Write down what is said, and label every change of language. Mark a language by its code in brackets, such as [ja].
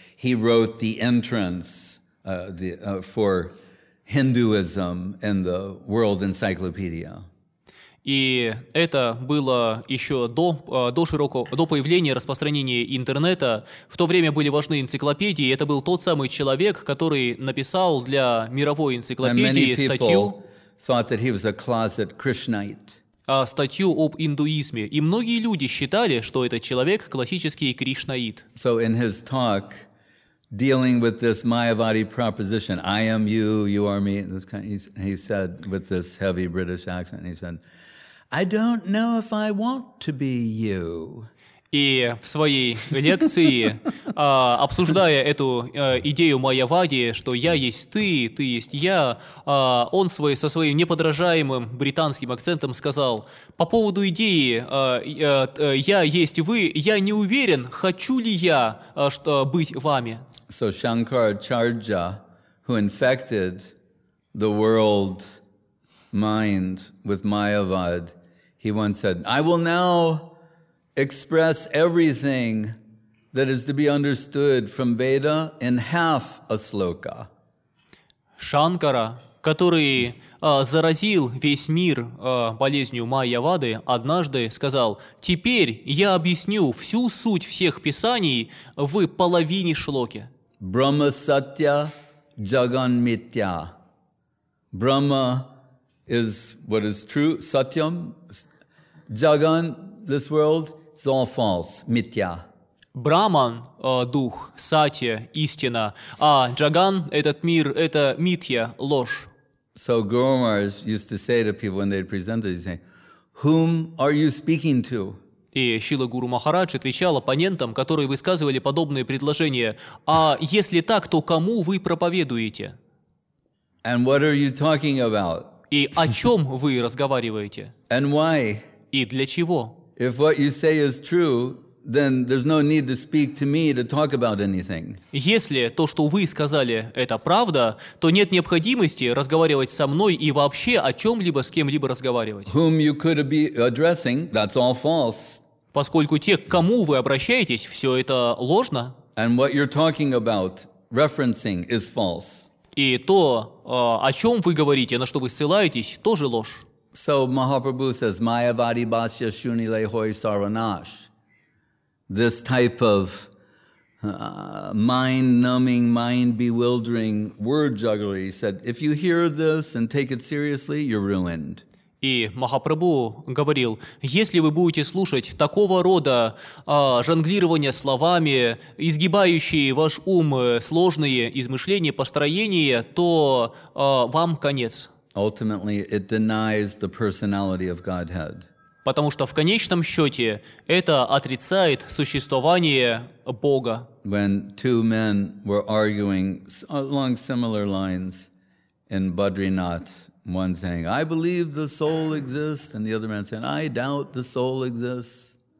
[en] He wrote the entrance for Hinduism in the World Encyclopedia. [ru] И это было еще до появления распространения интернета. В то время были важны энциклопедии. Это был тот самый человек, который написал для мировой энциклопедии статью. [en] Thought that he was a closet Krishnite. [ru] Статью об индуизме. И многие люди считали, что этот человек классический кришнаит. [en] So in his talk, dealing with this Mayavadi proposition, I am you, you are me, this kind, he said with this heavy British accent, he said, I don't know if I want to be you. [ru] И в своей лекции, обсуждая эту идею майявади, что я есть ты, ты есть я, он со своим неподражаемым британским акцентом сказал: по поводу идеи я есть вы, я не уверен, хочу ли я быть вами. [en] So Shankaracharya, who infected the world mind with Mayavad, he once said, I will now express everything that is to be understood from Veda in half a sloka. [ru] Шанкара, который заразил весь мир болезнью Майявады, однажды сказал, теперь я объясню всю суть всех писаний в половине шлоки. [sa] Brahma Satya Jagan Mitya. [en] Brahma is what is true, Satyam. Jagan, this world, it's all false, mitya. [ru] Brahman, дух, сатья, истина, а Jagan, этот мир, это митья, ложь. [en] So Guru Maharaj used to say to people when they'd presented, he'd say, whom are you speaking to? [ru] И Шрила Гуру Махарадж отвечал оппонентам, которые высказывали подобные предложения, а если так, то кому вы проповедуете? [en] And what are you talking about? [ru] И о чем вы разговариваете? [en] And why? [ru] И для чего? [en] If what you say is true, then there's no need to speak to me to talk about anything. [ru] Если то, что вы сказали, это правда, то нет необходимости разговаривать со мной и вообще о чем-либо с кем-либо разговаривать. [en] Whom you could be addressing, that's all false. [ru] Поскольку те, к кому вы обращаетесь, все это ложно. [en] And what you're talking about, referencing, is false. [ru] И то, о чем вы говорите, на что вы ссылаетесь, тоже ложь. [en] So Mahaprabhu says, [bn] Mayavadi Bhasya Shunile Hoy Sarvanash. [en] This type of mind-numbing, mind-bewildering word jugglery. He said, if you hear this and take it seriously, you're ruined. [ru] И Махапрабху говорил, если вы будете слушать такого рода жонглирование словами, изгибающие ваш ум сложные измышления, построения, то вам конец. [en] Ultimately, it denies the personality of Godhead. [ru] Потому что в конечном счете это отрицает существование Бога. [en] When two men were arguing along similar lines in Badrinath, one saying, I believe the soul exists, and the other man saying, I doubt the soul exists.